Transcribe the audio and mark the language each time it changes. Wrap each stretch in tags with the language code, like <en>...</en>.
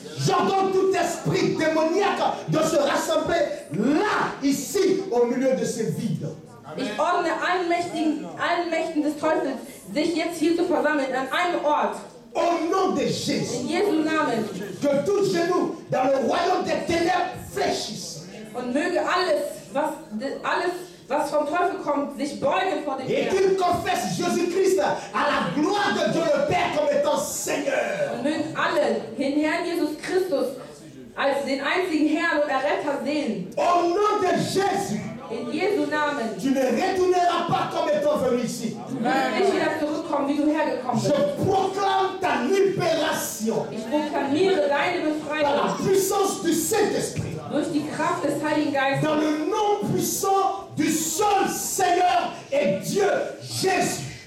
<fr>J'ordonne tout esprit démoniaque de se rassembler là, ici, au milieu de ce vide.</fr> <de>Ich ordne allen Mächten des Teufels, sich jetzt hier zu versammeln, an einem Ort.</de> <fr>Au nom de Jésus.</fr> <de>In Jesu Namen.</de> <fr>Que tout genou dans le royaume des ténèbres fléchisse.</fr> <de>Und möge alles, was vom Teufel kommt, sich beugen vor dem Herrn.</de> <fr>Et qu'il confesse Jésus-Christ à la gloire de Dieu le Père comme étant Seigneur.</fr> <de>Und mögen alle den Herrn Jesus Christus als den einzigen Herrn und Erretter sehen.</de> <fr>Au nom de Jésus.</fr> <de>In Jesu Namen.</de> <fr>Tu ne retourneras pas comme étant venu ici.</fr> <de>Ich werde zurückkommen, wie du hergekommen bist.</de> <fr>Je proclame ta libération.</fr> <de>Ich proklamiere deine Befreiung.</de> <fr>Par la puissance du Saint-Esprit.</fr> <de>Durch die Kraft des Heiligen Geistes.</de> <fr>Dans le nom puissant du seul Seigneur et Dieu Jésus.</fr>